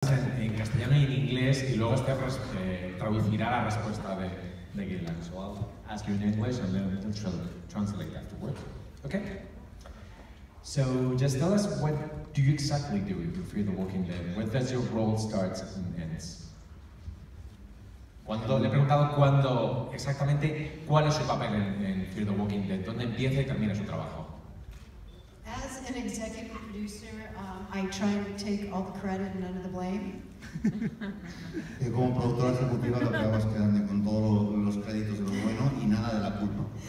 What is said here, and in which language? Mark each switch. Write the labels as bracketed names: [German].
[Spanish] castellano y en inglés y luego este traducirá la respuesta de Gideon. [English] So I'll ask you in English and then we'll translate afterwards. Okay. So just tell us, what do you exactly do in Fear the Walking Dead? Where does your role start and ends? [Spanish] Cuando le he preguntado cuándo exactamente cuál es su papel en Fear the Walking Dead, dónde empieza y termina su trabajo. [English] As an executive producer, I try to take all the credit and none of the blame. [Spanish] Y como productora ejecutiva lo que hago es quedarme con todos los créditos de lo bueno y nada de la culpa.